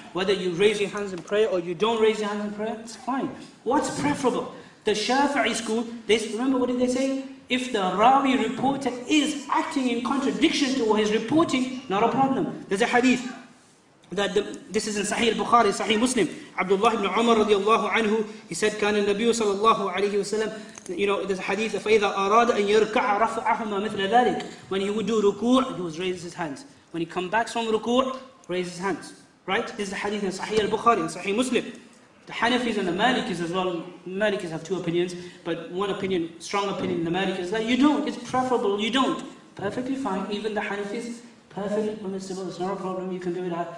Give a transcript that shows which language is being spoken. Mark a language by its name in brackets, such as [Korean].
[English] Whether you raise your hands in prayer or you don't raise your hands in prayer, it's fine. What's preferable? The Shafi'i school, remember what did they say? If the rawi reporter is acting in contradiction to what he's reporting, not a problem. There's a hadith that this is in Sahih al-Bukhari, Sahih Muslim. [Arabic] Abdullah ibn Umar radiallahu anhu, [English] he said, [Arabic] كَانَ النَّبِيُّ صَلَى اللَّهُ عَلَيْهِ وَسَلَمْ, [English] you know, there's a hadith, [Arabic] فَإِذَا أَرَادَ أَنْ يَرْكَعَ رَفَعَهُمَا مِثْلَ ذَلِكَ. [English] When he would do ruku', he would raise his hands. When he comes back from ruku', raise his hands. Right? This is the hadith in Sahih al-Bukhari, in Sahih Muslim. The Hanafis and the Malikis as well, Malikis have two opinions, but one opinion, strong opinion in the Malikis is that you don't, it's preferable, you don't. Perfectly fine, even the Hanafis, perfectly permissible, it's not a problem, you can do it.